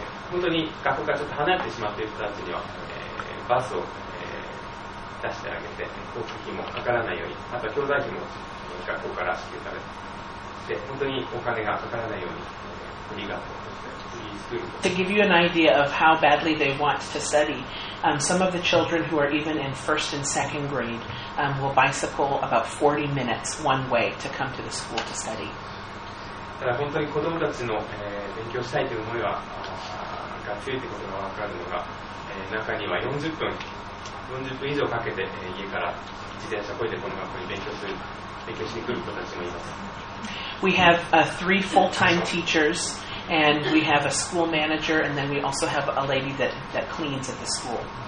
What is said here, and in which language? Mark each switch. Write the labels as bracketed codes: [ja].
[ja] 本当に学校からちょっと離れてしまっている人たちには、バスを、出してあげて、交通費もかからないように、あと教材費も学校から支給されて、で、本当にお金がかからないように、 [en] To give you an idea of how badly they want to study, some of the children who are even in first and second grade will bicycle about 40 minutes one way to come to the school to study. [ja] ただ本当に子どもたちの、勉強したいという思いはが強いということが分かるのが、中には40分以上かけて、家から自転車こいでこの学校に勉強しに来る子たちもいます。 [en] We have three full-time teachers, and we have a school manager, and then we also have a lady that cleans at the school.